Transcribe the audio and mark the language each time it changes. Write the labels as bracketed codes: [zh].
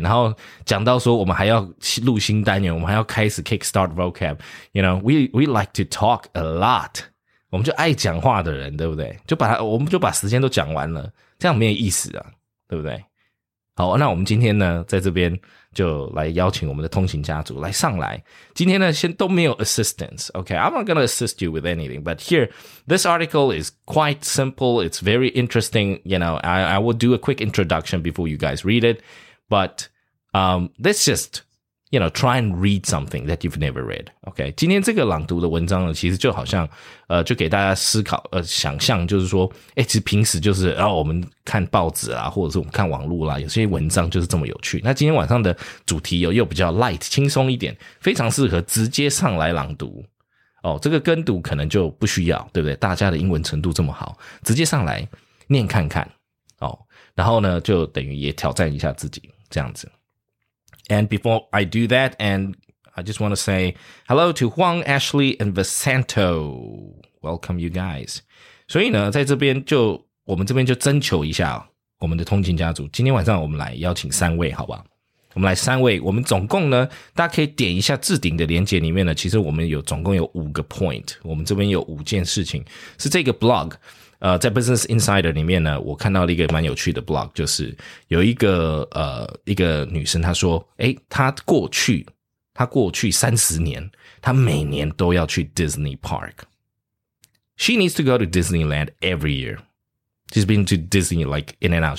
[zh] 然后讲到说我们还要录新单元，我们还要开始 kickstart vocab， [en] you know， we like to talk a lot， [zh] 我们就爱讲话的人，对不对？我们就把时间都讲完了，这样没有意思啊，对不对？好，那我们今天呢在这边就来邀请我们的通勤家族来上来。今天呢先都没有 [en] assistance， OK， I'm not going to assist you with anything， but here this article is quite simple， it's very interesting， you know， I will do a quick introduction before you guys read it， but let's just， you know， try and read something that you've never read， OK。 [zh] 今天这个朗读的文章呢，其实就好像就给大家思考想象，就是说其实平时就是我们看报纸啦，或者是我们看网络啦，有些文章就是这么有趣。那今天晚上的主题又比较 light， 轻松一点，非常适合直接上来朗读哦。这个跟读可能就不需要，对不对？大家的英文程度这么好，直接上来念看看哦。然后呢就等于也挑战一下自己这样子。 [en] And before I do that, and I just want to say hello to Huang, Ashley, and Vicento. Welcome you guys. [zh] 所以呢在这边就我们这边就征求一下我们的通勤家族，今天晚上我们来邀请三位，好吧？我们来三位，我们总共呢大家可以点一下置顶的连结里面呢，其实我们有总共有五个 point， 我们这边有五件事情是这个 blog， 在 Business Insider 里面呢我看到了一个蛮有趣的 blog， 就是有一个女生，她说她过去30年她每年都要去 Disney Park， [en] She needs to go to Disneyland every year。 She's been to Disney like in and out.